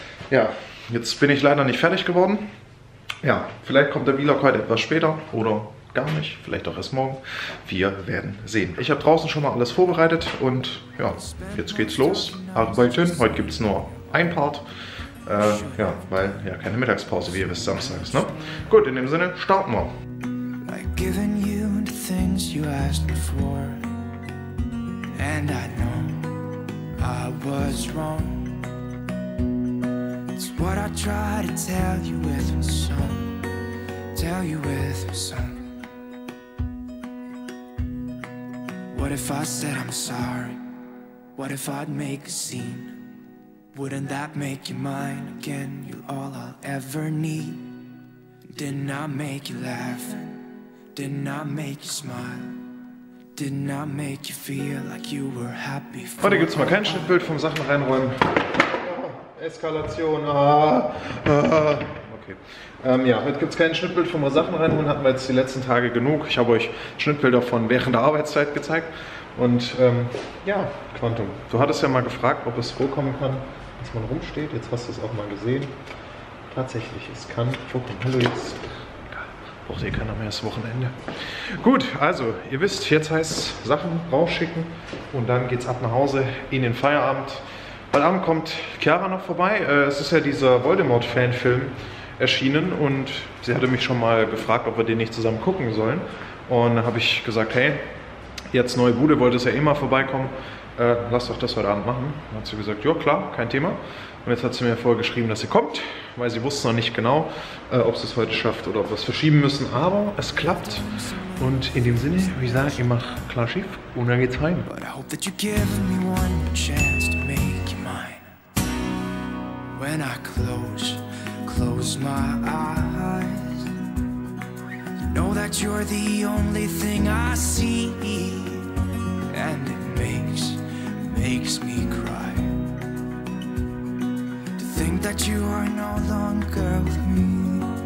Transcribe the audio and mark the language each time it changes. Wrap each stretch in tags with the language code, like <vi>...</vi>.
<de>Ja, jetzt bin ich leider nicht fertig geworden. Ja, vielleicht kommt der Vlog heute etwas später oder gar nicht, vielleicht auch erst morgen. Wir werden sehen. Ich habe draußen schon mal alles vorbereitet und ja, jetzt geht's los. Arbeiten. Heute gibt's nur ein Part. Weil ja keine Mittagspause, wie ihr wisst, samstags. Ne? Gut, in dem Sinne, starten wir.</de> <en>I've given you the things you asked before. And I know I was wrong. It's what I try to tell you with my song. Tell you with my song. What if I said I'm sorry? What if I'd make a scene? Wouldn't that make you mine again? You're all I'll ever need. Didn't I make you laugh? Didn't I make you smile? Didn't I make you feel like you were happy?</en> <de>Heute gibt's mal kein Schnittbild vom Sachen reinräumen. Eskalation. Heute gibt es kein Schnittbild von Sachen rein und hatten wir jetzt die letzten Tage genug. Ich habe euch Schnittbilder von während der Arbeitszeit gezeigt. Und Quantum, du hattest ja mal gefragt, ob es vorkommen kann, dass man rumsteht. Jetzt hast du es auch mal gesehen. Tatsächlich, es kann vorkommen. Hallo jetzt. Braucht eh keiner mehr, das Wochenende. Gut, also ihr wisst, jetzt heißt es Sachen rausschicken und dann geht's ab nach Hause in den Feierabend. Heute Abend kommt Chiara noch vorbei. Es ist ja dieser Voldemort-Fanfilm erschienen und sie hatte mich schon mal gefragt, ob wir den nicht zusammen gucken sollen. Und dann habe ich gesagt, hey, jetzt neue Bude, wolltest ja eh mal vorbeikommen, lass doch das heute Abend machen. Dann hat sie gesagt, ja klar, kein Thema. Und jetzt hat sie mir vorher geschrieben, dass sie kommt, weil sie wusste noch nicht genau, ob sie es heute schafft oder ob wir es verschieben müssen. Aber es klappt und in dem Sinne, wie gesagt, ich mach klar schief und dann geht's heim.</de> <en>But I hope that you give me one chance to make you mine. When I close my eyes. You know that you're the only thing I see, and it makes me cry to think that you are no longer with me.</en>